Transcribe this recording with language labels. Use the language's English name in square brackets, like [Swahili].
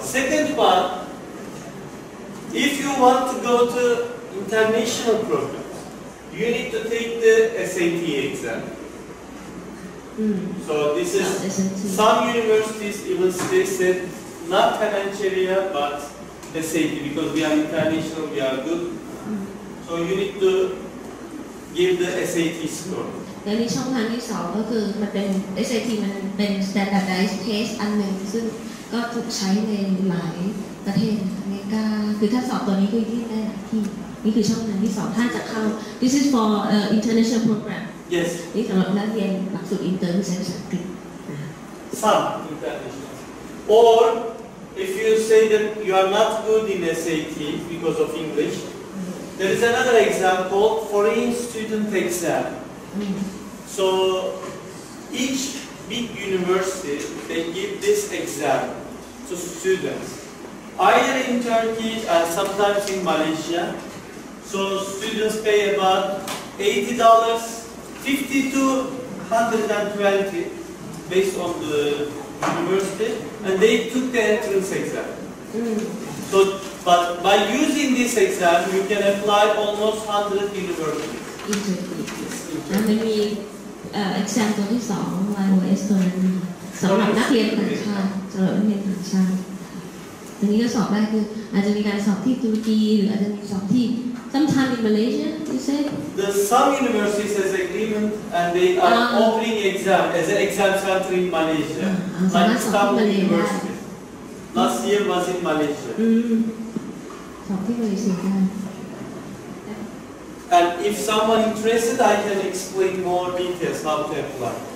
[English] Second one, if you want to go to international programs, you need to take the SAT exam. So this is some universities even say that not Canancheria but SAT, because we are international, we are good. So you need to give the SAT score. [Thai] แล้วในช่องทางที่สองก็คือมันเป็น SAT มันเป็น standardized test อันหนึ่งซึ่งก็ถูกใช้ในหลายประเทศอเมริกาคือถ้าสอบตัวนี้ก็ยื่นได้ที่นี่คือช่องทางที่สองถ้าจะเข้า [English] this is for international program yes [Thai] นี่สำหรับนักเรียนหลักสูตรอินเตอร์ที่ใช้ภาษาอังกฤษ [English] some international or if you say that you are not good in SAT because of English there is another exam called foreign student exam. So each big university, they give this exam to students, either in Turkey and sometimes in Malaysia. So students pay about $80, $50 to $120 based on the university, and they took the entrance exam. So, but by using this exam, you can apply almost 100 universities. And then we exam [Thai] ตัวที่สองวันเอสเตอร์สำหรับนักเรียนต่างชาติสำหรับนักเรียนต่างชาติตรงนี้ก็สอบได้คืออาจจะมีการสอบที่ตุรกีหรืออาจจะมีสอบที่ [English] Sometimes in Malaysia, you say? The some universities has agreement and they are offering exam as an exam center in Malaysia. Like Istanbul University. Last year was in Malaysia. And if someone interested, I can explain more details how to apply.